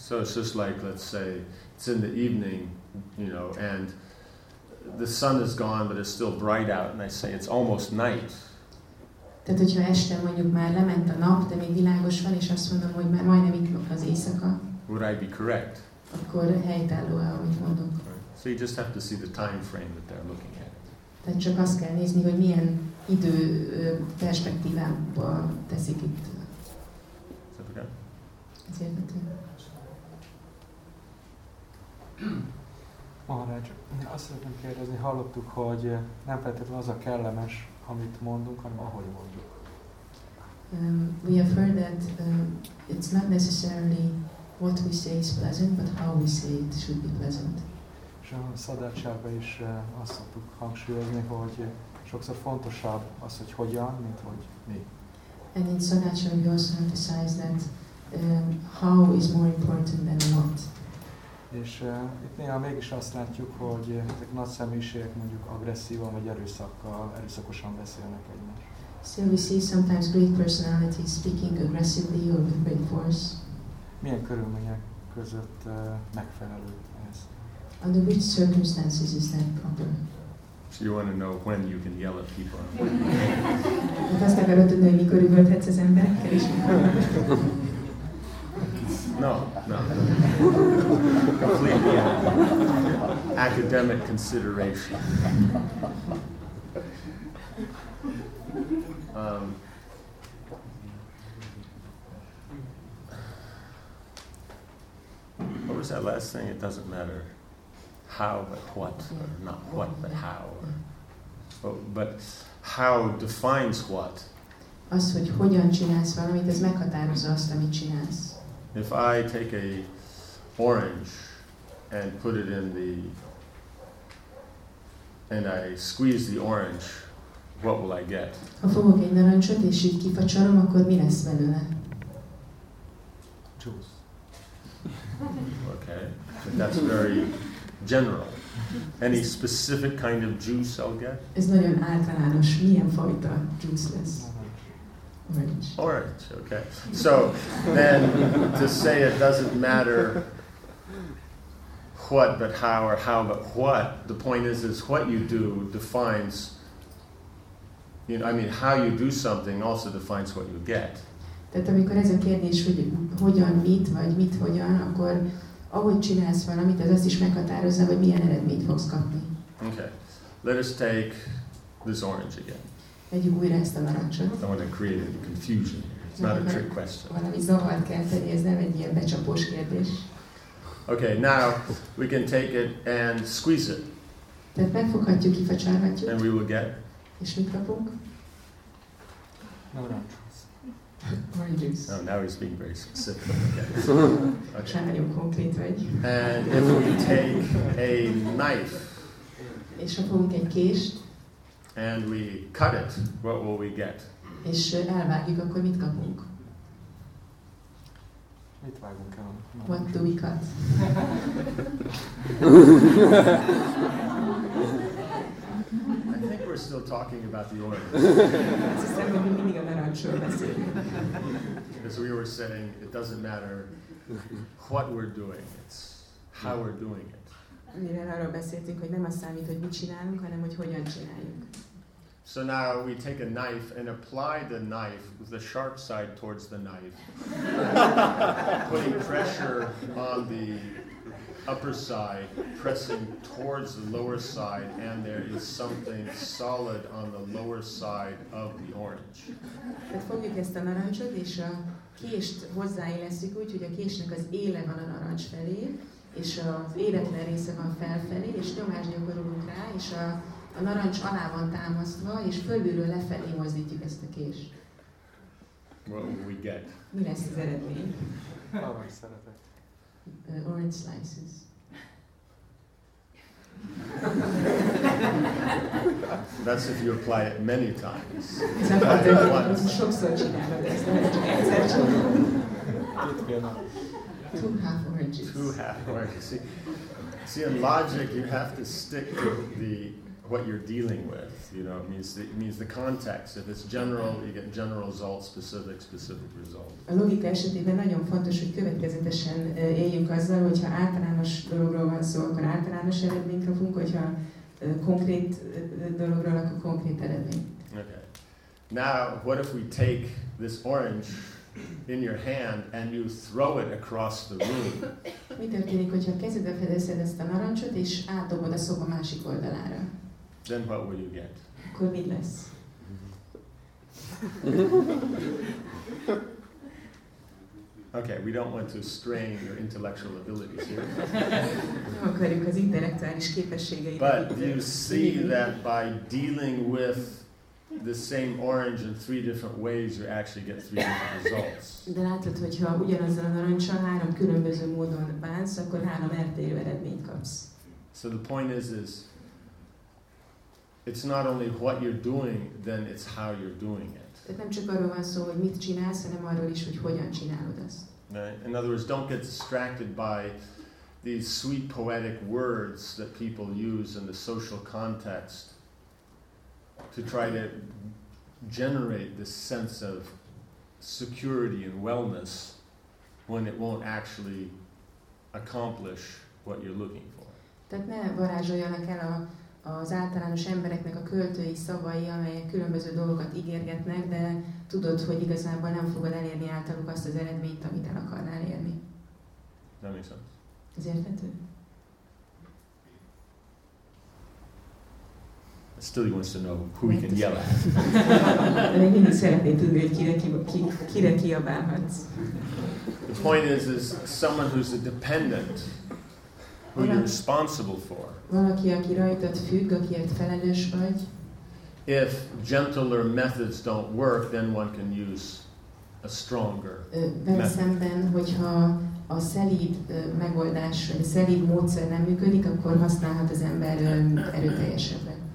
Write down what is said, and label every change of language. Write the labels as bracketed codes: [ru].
[en] So it's just like, let's say, it's in the evening, you know, and the sun is gone, but it's still bright out, and I say, it's almost night. [hu] Tehát, hogyha este mondjuk már lement a nap, de még világos van, és azt mondom, hogy már majdnem itt van az éjszaka. [en] Would I be correct? [hu] Akkor helytálló-e, amit mondok. [en] Right. So you just have to see the time frame that they're looking at. [hu] Tehát csak azt kell nézni, hogy milyen idő perspektívába teszik itt. [en] Is that okay? [hu] Ez érdekli. Maharaj, azt szeretném kérdezni, hallottuk, hogy nem feltétlenül az a kellemes, amit mondunk, hanem ahogy mondjuk. [en] We have heard that it's not necessarily what we say is pleasant, but how we say it should be pleasant. [hu] És a szadácsában is azt szoktuk hangsúlyozni, hogy sokszor fontosabb az, hogy hogyan, mint hogy mi. [en] And in szadácsában we also emphasize that how is more important than what. [hu] És itt néha mégis azt látjuk, hogy ezek nagy személyiségek mondjuk agresszívan vagy erőszakosan beszélnek egymás. [en] So we see sometimes great personalities speaking aggressively or with great force. [hu] Milyen körülmények között megfelelő ez? [en] Under which circumstances is that proper? So you want to know when you can yell at people. [hu] Hát azt akarod tudni, hogy mikor üvölthetsz az emberekkel is. [en] No. Completely academic consideration. What was that last thing? It doesn't matter how, but what, or not what, but how. But how defines what? [hu] Azt, hogy hogyan csinálsz valamit, ez meghatározza azt, amit csinálsz. [en] If I take a orange and put it in the and I squeeze the orange, what will I get? [hu] Ha fogok egy narancsot és így kifacsarom, akkor mi lesz belőle? [en] Juice. Okay, but that's very general. Any specific kind of juice I'll get? [hu] Ez nagyon általános. Milyen fajta juice lesz? [en] Orange. Okay. So then, to say it doesn't matter what, but how, or how, but what. The point is what you do defines. You know, I mean, how you do something also defines what you get. [hu] Tehát amikor ez a kérdés, hogy hogyan mit vagy mit hogyan, akkor ahogy csinálsz valamit, az azt is meghatározza, hogy milyen eredményt fogsz kapni. [en] Okay. Let us take this orange again. [hu] Vegyük újra ezt a narancsot. [en] I don't want to create any confusion. It's not a trick question. [hu] Valami zavart kell tenni, ez nem egy ilyen becsapós kérdés. [en] Okay, now we can take it and squeeze it. [hu] Tehát megfoghatjuk, kifacsárhatjuk. [en] And we will get. [hu] És mit kapunk? Narancs. [en] Oh, now he's being very specific. [hu] Sem nagyon konkrét vagy. [en] And if we take a knife. [hu] És ha fogunk egy kést. [en] And we cut it, what will we get? [hu] És elvágjuk, akkor mit kapunk? Mit vágunk el? [en] What do we cut? I think we're still talking about the orange. Because we were saying, it doesn't matter what we're doing, it's how we're doing it. [hu] Mivel arról beszéltünk, hogy nem azt számít, hogy mit csinálunk, hanem hogy hogyan csináljuk. [en] So now we take a knife and apply the knife with the sharp side towards the knife, putting pressure on the upper side, pressing towards the lower side, and there is something solid on the lower side of the orange. [hu] Tehát fogjuk ezt a narancsot, és a kést hozzáéleszük, úgyhogy a késnek az éle van a narancs felé, és az életlen része van felfelé, és nyomást gyakorolunk rá, és a narancs alá van támasztva, és fölülről lefelé mozdítjuk ezt a kést. [en] What will we get? [hu] Mi lesz az eredmény? Valami szeretet. [en] Orange slices. That's if you apply it many times. [hu] Sokszor csinálod ezt, nem csak egyszer csinálod. [en] Two half oranges. Two half oranges. See, see, in logic you have to stick to the what you're dealing with, you know, it means the context. If it's general, you get general results, specific results. [hu] A logika esetében nagyon fontos, hogy következetesen éljünk azzal, hogyha általános dologról van szó, akkor általános eredményt kapunk, hogyha konkrét dologról, akkor konkrét eredmény. [en] Okay. Now, what if we take this orange in your hand and you throw it across the room? [hu] Mi történik, hogyha kezedbe fedezed ezt a narancsot és átdobod a szoba másik oldalára? [en] Then what will you get? [hu] Akkor mit lesz? [en] Okay, we don't want to strain your intellectual abilities here. [hu] Nem akarjuk az intellektuális képességeidet. [en] But you see that by dealing with the same orange in three different ways, you actually get three different results. [hu] De látod, hogyha ugyanazzal a narancssal három különböző módon bánsz, akkor három eltérő eredményt kapsz. [en] So the point is, it's not only what you're doing, then it's how you're doing it. [hu] Tehát nem csak arról van szó, hogy mit csinálsz, hanem arról is, hogy hogyan csinálod ezt. [en] In other words, don't get distracted by these sweet poetic words that people use in the social context to try to generate this sense of security and wellness when it won't actually accomplish what you're looking for. [hu] Tehát ne varázsoljanak el az általános embereknek a költői szavai, amelyek különböző dolgokat ígérgetnek, de tudod, hogy igazából nem fogod elérni általuk azt az eredményt, amit el akarnál érni. Nem is az. Ez érthető? [en] Still he wants to know who he can yell at. [hu] De még mindig szeretné tudni, hogy kire kiabálhatsz. [en] The point is someone who's a dependent, who you're responsible for. [hu] Valaki, aki rajtad függ, akiért felelős vagy. [en] If gentler methods don't work, then one can use a stronger method. [hu] Vele szemben, hogyha a szelíd megoldás, vagy a szelíd módszer nem működik, akkor használhat az ember erőteljesebbet.